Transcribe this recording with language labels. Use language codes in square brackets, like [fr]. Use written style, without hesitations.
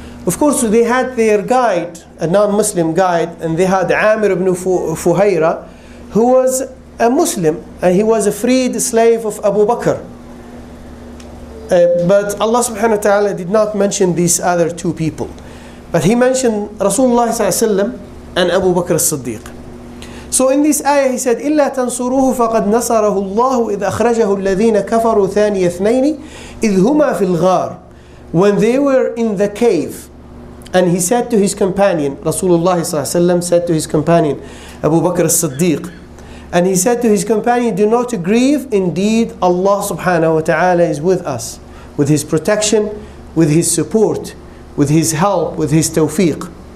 [en] Of course, they had their guide, a non-Muslim guide, and they had Amir ibn Fuhayra, who was a Muslim, and he was a freed slave of Abu Bakr. But Allah subhanahu wa ta'ala did not mention these other two people. But he mentioned Rasulullah sallallahu alayhi wa sallam and Abu Bakr as-Siddiq. [ar] So in this ayah he said, إِلَّا تَنْصُرُوهُ فَقَدْ نَصَرَهُ اللَّهُ إِذْ أَخْرَجَهُ الَّذِينَ كَفَرُوا ثَانِيَ اثْنَيْنِ إِذْ هُمَا فِي الْغَارِ. [en] When they were in the cave, and he said to his companion, Rasulullah sallallahu alayhi wa sallam said to his companion, Abu Bakr as-Siddiq, And he said to his companion, "Do not grieve, indeed Allah subhanahu wa ta'ala is with us, with his protection, with his support, with his help, with his tawfiq."